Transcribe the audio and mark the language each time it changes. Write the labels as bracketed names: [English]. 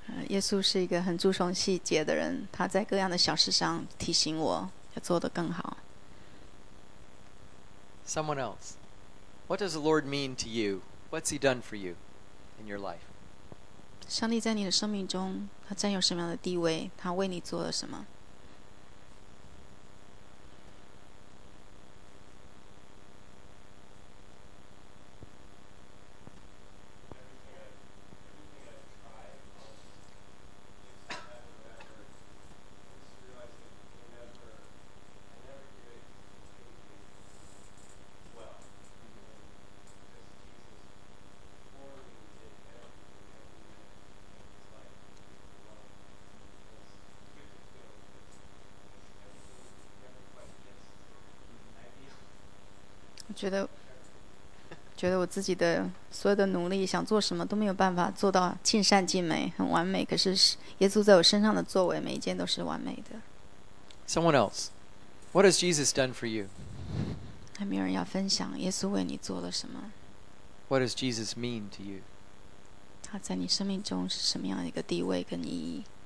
[Chinese] 耶稣是一个很注重细节的人，他在各样的小事上提醒我要做得更好。 [English] Someone else, what does the Lord mean to you? What's He done for you in your life? [Chinese] 上帝在你的生命中，他占有什么样的地位？他为你做了什么？觉得我自己的所有的努力想做什么都没有办法做到尽善尽美很完美可是耶稣在我身上的作为每一件都是完美的 [English] Someone else What has Jesus done for you? [Chinese] 还没有人要分享耶稣为你做了什么 [English] What does Jesus mean to you? [Chinese] 他在你生命中是什么样的一个地位跟意义